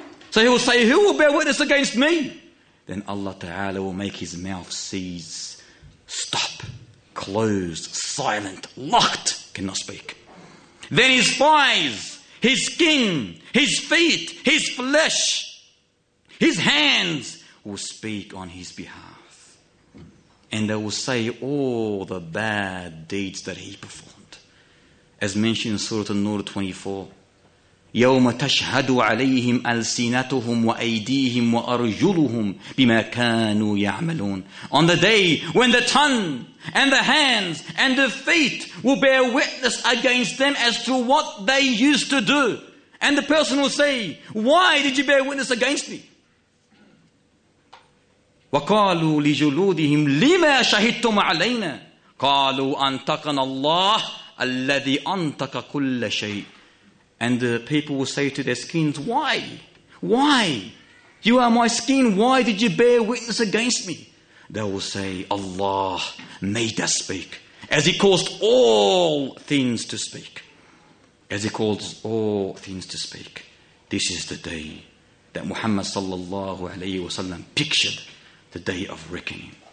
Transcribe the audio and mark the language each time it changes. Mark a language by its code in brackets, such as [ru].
[en] So he will say, who will bear witness against me? Then Allah Ta'ala will make his mouth cease, stop, closed, silent, locked, cannot speak. Then his thighs, his skin, his feet, his flesh, his hands will speak on his behalf. And they will say all the bad deeds that he performed. As mentioned in Surah An-Nur 24, [ar] يوم تشهد عليهم ألسنتهم وأيديهم وأرجلهم بما كانوا يعملون. [en] On the day when the tongue and the hands and the feet will bear witness against them as to what they used to do. And the person will say, why did you bear witness against me? [ar] وقالوا لجلودهم لما شهدتم علينا قالوا أنطقنا الله الذي أنطق كل شيء. [en] And the people will say to their skins, why? Why? You are my skin, why did you bear witness against me? They will say, Allah made us speak, as He caused all things to speak. As He caused all things to speak. This is the day that Muhammad sallallahu alayhi wa sallam pictured, the day of reckoning.